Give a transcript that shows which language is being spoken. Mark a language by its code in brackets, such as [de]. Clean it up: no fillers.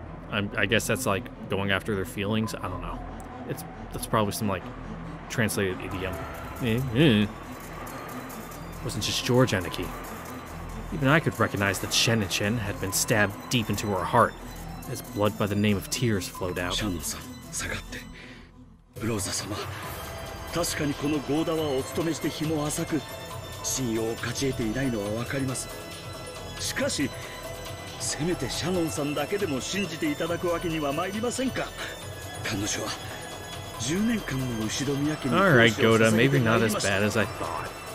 [en] I guess that's like going after their feelings. I don't know. That's probably some, like, translated idiom. Wasn't just George Haneke. Even I could recognize that Shen and Shen had been stabbed deep into her heart as blood by the name of tears flowed out. [ja] Shen-san, 下がって。 Rosa-san, 確かにこの強打はお勤めして日も浅く、信用を勝ち得ていないのはわかります。しかし、せめてシャノンさんだけでも信じていただくわけには参りませんか。彼女は、 [en] Alright, Goda, maybe not as bad as I thought.